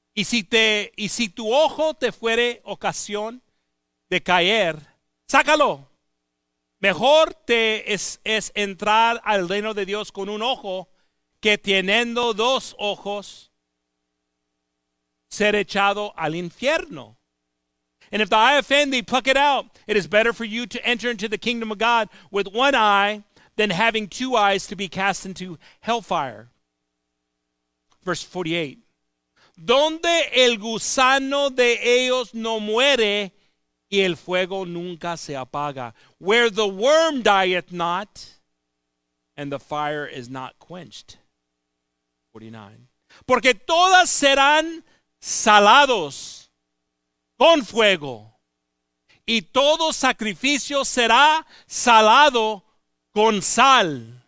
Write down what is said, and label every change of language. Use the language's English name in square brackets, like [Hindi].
[Spanish] Y si tu ojo te fuere ocasión de caer, sácalo. Mejor te es entrar al reino de Dios con un ojo que teniendo dos ojos ser echado al infierno. [English] And if the eye offend thee, pluck it out. It is better for you to enter into the kingdom of God with one eye than having two eyes to be cast into hellfire. Verse 48. [Spanish] Donde el gusano de ellos no muere y el fuego nunca se apaga. [English] Where the worm dieth not and the fire is not quenched. 49. [Spanish] Porque todas serán salados con fuego y todo sacrificio será salado con sal.